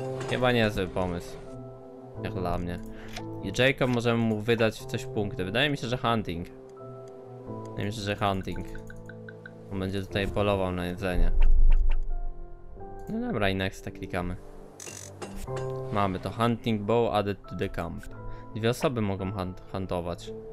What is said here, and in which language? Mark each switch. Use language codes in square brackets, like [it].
[pl] Chyba niezły pomysł, jak dla mnie. I Jacob możemy mu wydać w coś punkty, wydaje mi się, że hunting. Wydaje mi się, że hunting. On będzie tutaj polował na jedzenie. No dobra, i next klikamy. Mamy to [en] hunting bow added to the camp. [pl] Dwie osoby mogą huntować.